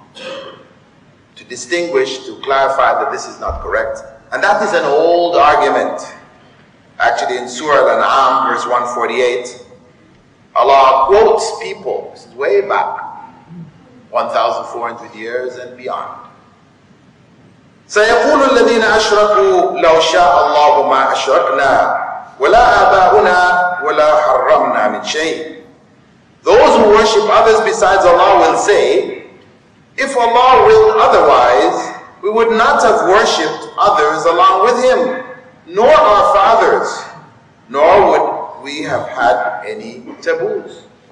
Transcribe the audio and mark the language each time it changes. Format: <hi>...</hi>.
<en>To distinguish, to clarify that this is not correct. And that is an old argument. Actually, in Surah Al-An'am, verse 148, Allah quotes people, this is way back, 1,400 years and beyond.</en> <ar>سيقول الذين أشركوا لو شاء الله ما أشركنا ولا آباؤنا ولا حرمنا من شيء.</ar> <en>Those who worship others besides Allah will say, if Allah willed otherwise, we would not have worshipped others along with Him, nor our fathers, nor would we have had any taboos.</en>